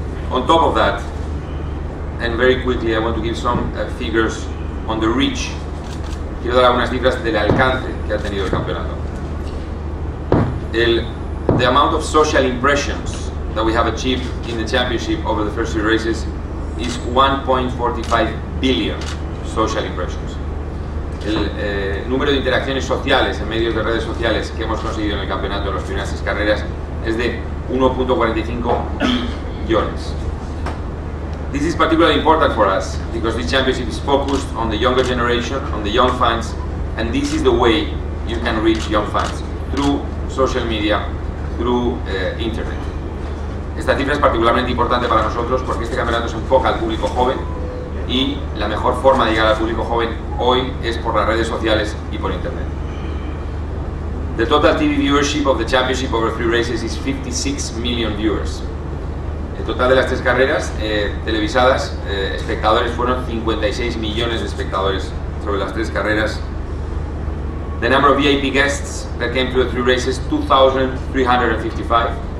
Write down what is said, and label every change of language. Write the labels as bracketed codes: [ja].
[en] On top of that, and very quickly, I want to give some figures on the reach. [es] Quiero dar algunas cifras del alcance que ha tenido el campeonato. [en] The amount of social impressions that we have achieved in the championship over the first three races is 1.45 billion social impressions. [es] El número de interacciones sociales en medios de redes sociales que hemos conseguido en el campeonato en las primeras seis carreras es de 1.45 billones. [en] This is particularly important for us because this championship is focused on the younger generation, on the young fans, and this is the way you can reach young fans, through social media, through internet. [es] Esta cifra es particularmente importante para nosotros porque este campeonato se enfoca al público joven y la mejor forma de llegar al público joven hoy es por las redes sociales y por internet. [en] The total TV viewership of the championship over three races is 56 million viewers. [es] El total de las tres carreras televisadas, espectadores, fueron 56 millones de espectadores sobre las tres carreras. [en] The number of VIP guests that came through the three races, 2,355.